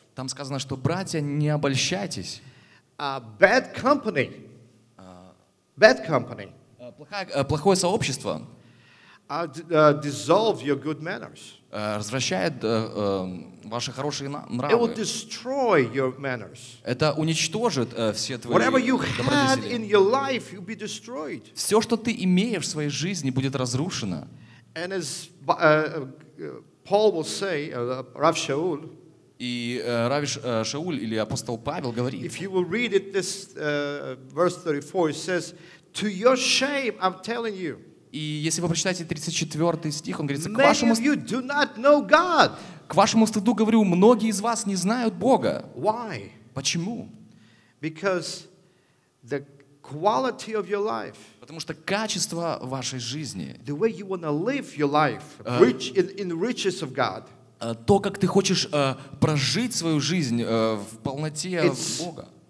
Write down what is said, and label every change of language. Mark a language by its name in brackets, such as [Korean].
[Russian] Там сказано, что братья, не обольщайтесь. [English] Bad company. Bad company. [Russian] Плохое сообщество. [English] Dissolve your good manners. [Russian] Развращает ваши хорошие нравы. [English] It will destroy your manners. [Russian] Это уничтожит все твои. [English] Whatever you had in your life, you'll be destroyed. [Russian] Все, что ты имеешь в своей жизни, будет разрушено. [English] And as Paul will say, Rav Shaul. [Russian] И Рави Шауль или апостол Павел говорит. [English] If you will read it, this verse 34, it says, "To your shame, I'm telling you." [Russian] И если вы прочитаете 34 стих, он говорит, к вашему стыду. [English] Many of you do not know God. [Russian] К вашему стыду говорю, многие из вас не знают Бога. [English] Why? [Russian] Почему? [English] Because the quality of your life. [Russian] Потому что качество вашей жизни. [English] The way you want to live your life, rich in riches of God. [Russian] То, как ты хочешь прожить свою жизнь в полноте Бога.